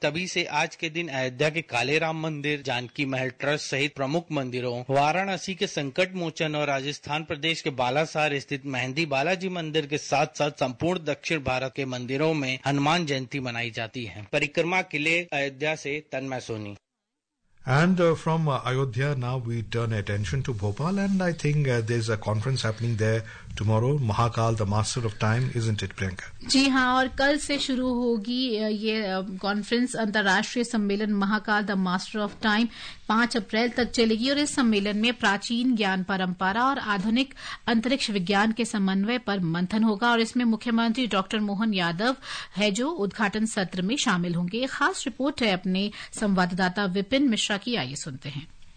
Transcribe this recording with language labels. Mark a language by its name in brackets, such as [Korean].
[Hindi] तभी से आज के दिन अयोध्या के काले राम मंदिर, जानकी महल ट्रस्ट सहित प्रमुख मंदिरों, वाराणसी के संकट मोचन और राजस्थान प्रदेश के बालासार स्थित मेहंदी बालाजी मंदिर के साथ साथ संपूर्ण दक्षिण भारत के मंदिरों में हनुमान जयंती मनाई जाती है। परिक्रमा के लिए अयोध्या से तन्मय Soni. [English] And from Ayodhya, now we turn attention to Bhopal, and I think there's a conference happening there tomorrow, Mahakal, the Master of Time, isn't it, Priyanka? [Hindi] जी हाँ, और कल से शुरू होगी ये कॉन्फ्रेंस, अंतर्राष्ट्रीय सम्मेलन Mahakal the master of time, 5 अप्रैल तक चलेगी। और इस सम्मेलन में प्राचीन ज्ञान परंपरा और आधुनिक अंतरिक्ष विज्ञान के समन्वय पर मंथन होगा और इसमें मुख्यमंत्री डॉक्टर मोहन यादव है जो उद्घाटन सत्र में शामिल होंगे। खास रिपोर्ट है अपने संवाददाता विपिन मिश्रा की, आइए सुनते हैं।